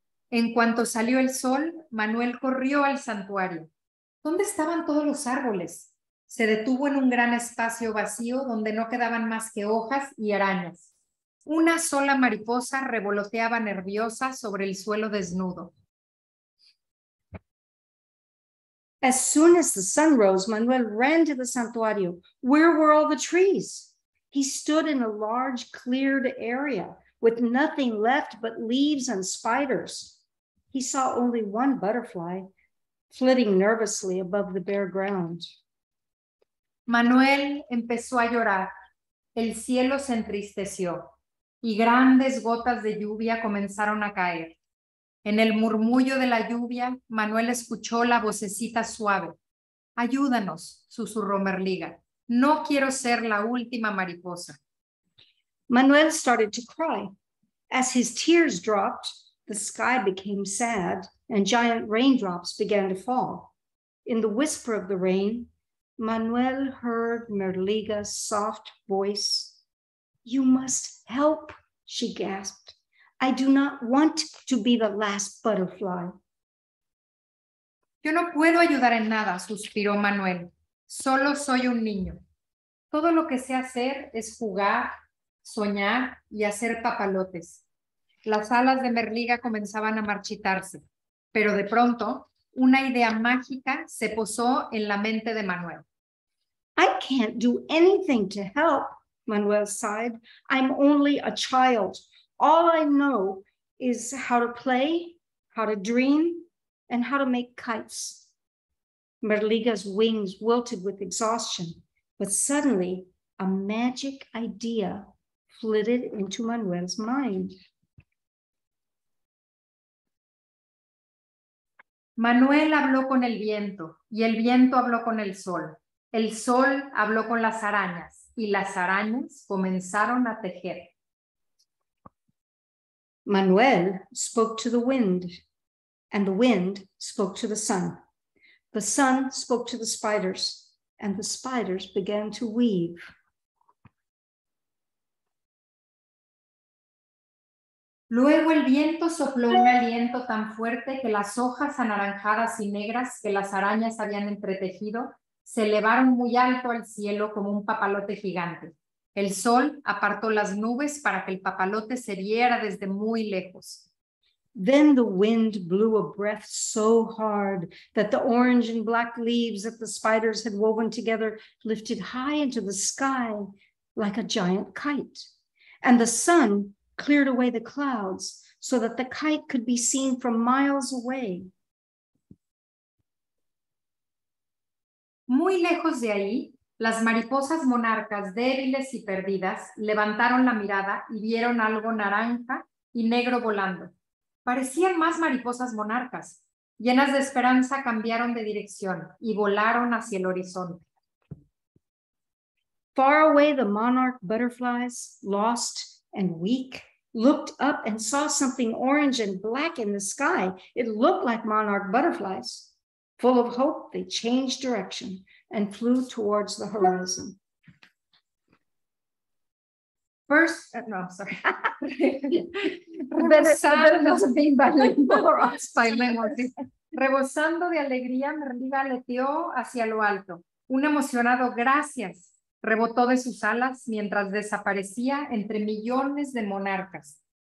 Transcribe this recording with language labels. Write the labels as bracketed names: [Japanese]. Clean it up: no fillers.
[Spanish] En cuanto salió el sol, Manuel corrió al santuario. ¿Dónde estaban todos los árboles? Se detuvo en un gran espacio vacío donde no quedaban más que hojas y arañas. Una sola mariposa revoloteaba nerviosa sobre el suelo desnudo. [English] As soon as the sun rose, Manuel ran to the santuario. Where were all the trees? He stood in a large cleared area with nothing left but leaves and spiders. He saw only one butterfly flitting nervously above the bare ground. [Spanish] Manuel empezó a llorar. El cielo se entristeció y grandes gotas de lluvia comenzaron a caer. En el murmullo de la lluvia, Manuel escuchó la vocecita suave. Ayúdanos, susurró Merliga. No quiero ser la última mariposa. [English] Manuel started to cry. As his tears dropped, the sky became sad and giant raindrops began to fall. In the whisper of the rain, Manuel heard Merliga's soft voice. You must help, she gasped. I do not want to be the last butterfly. [Spanish] Yo no puedo ayudar en nada, suspiró Manuel. Solo soy un niño. Todo lo que sé hacer es jugar, soñar y hacer papalotes. Las alas de Merliga comenzaban a marchitarse, pero de pronto una idea mágica se posó en la mente de Manuel. [English] I can't do anything to help, Manuel sighed. I'm only a child. All I know is how to play, how to dream, and how to make kites. Merliga's wings wilted with exhaustion, but suddenly a magic idea flitted into Manuel's mind. [Spanish] Manuel habló con el viento, y el viento habló con el sol. El sol habló con las arañas, y las arañas comenzaron a tejer. [English] Manuel spoke to the wind, and the wind spoke to the sun. The sun spoke to the spiders, and the spiders began to weave. [Spanish] Luego el viento sopló un aliento tan fuerte que las hojas anaranjadas y negras que las arañas habían entretejido se elevaron muy alto al cielo como un papalote gigante. El sol apartó las nubes para que el papalote se viera desde muy lejos. [English] Then the wind blew a breath so hard that the orange and black leaves that the spiders had woven together lifted high into the sky like a giant kite. And the sun cleared away the clouds so that the kite could be seen from miles away. [Spanish] Muy lejos de ahí, las mariposas monarcas débiles y perdidas levantaron la mirada y vieron algo naranja y negro volando. Parecían más mariposas monarcas. Llenas de esperanza, cambiaron de dirección y volaron hacia el horizonte. [English] Far away, the monarch butterflies, lost and weak, looked up and saw something orange and black in the sky. It looked like monarch butterflies. Full of hope, they changed direction and flew towards the horizon. [Spanish] Rebosando de alegría, Merliga aleteó hacia lo alto. Un emocionado gracias rebotó de sus alas mientras desaparecía entre millones de monarcas.